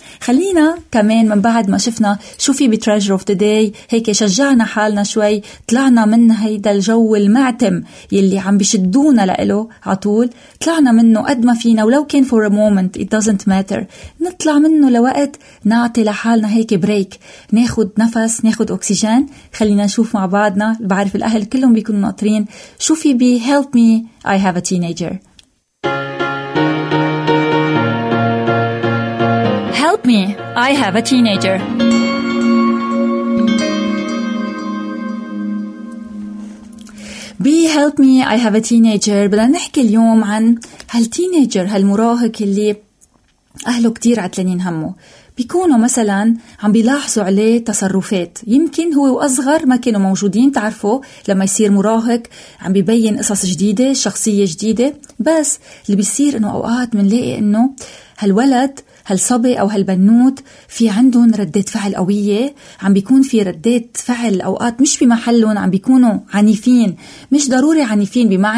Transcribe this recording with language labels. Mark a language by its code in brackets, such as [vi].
[ar] خلينا كمان من بعد ما شفنا شو في بتريجر اوف ذا داي هيك شجعنا حالنا شوي، طلعنا من هيدا الجو المعتم يلي عم بيشدونا لإله عطول، طلعنا منه قد ما فينا ولو كان [en] for a moment it doesn't matter، [ar] نطلع منه لوقت نعطي لحالنا هيك بريك، ناخد نفس ناخد أكسجين. خلينا نشوف مع بعضنا، بعرف الأهل كلهم بيكونوا ناطرين شو في بي [en] help me I have a teenager. Help me, I have a teenager. Be help me, I have a teenager. [ar] بدنا نحكي اليوم عن هالتينيجر هالمراهق اللي أهله كتير عتلانين همه. بيكونوا مثلا عم بيلاحظوا عليه تصرفات، يمكن هو وأصغر ما كانوا موجودين، تعرفوا لما يصير مراهق عم بيبين قصص جديدة شخصية جديدة، بس اللي بيصير انه أوقات منلاقي انه هالولد هالصبي أو هالبنوت في عندهم ردات فعل قوية، عم بيكون في ردات فعل أوقات مش بمحلهم، عم بيكونوا عنيفين، مش ضروري عنيفين